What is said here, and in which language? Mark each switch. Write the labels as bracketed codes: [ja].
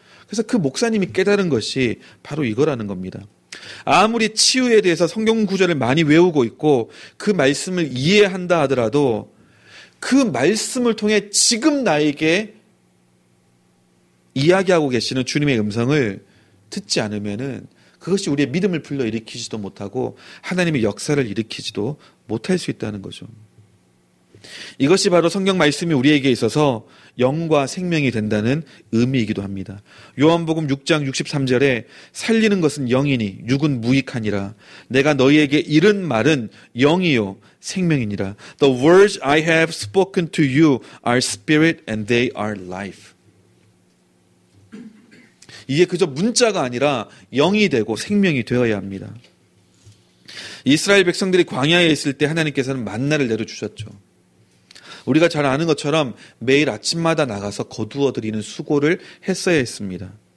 [ko] 그래서 그 목사님이 깨달은 것이 바로 이거라는 겁니다. 아무리 치유에 대해서 성경 구절을 많이 외우고 있고 그 말씀을 이해한다 하더라도 그 말씀을 통해 지금 나에게 이야기하고 계시는 주님의 음성을 듣지 않으면은 그것이 우리의 믿음을 불러일으키지도 못하고 하나님의 역사를 일으키지도 못할 수 있다는 거죠. 이것이 바로 성경 말씀이 우리에게 있어서 영과 생명이 된다는 의미이기도 합니다. 요한복음 6장 63절에 살리는 것은 영이니 육은 무익하니라. 내가 너희에게 이른 말은 영이요 생명이니라. [en] The words I have spoken to you are spirit and they are life. [ko] 이게 그저 문자가 아니라 영이 되고 생명이 되어야 합니다. 이스라엘 백성들이 광야에 있을 때 하나님께서는 만나를 내려주셨죠. 우리가 잘 아는 것처럼 매일 아침마다 나가서 거두어들이는 수고를 했어야 했습니다.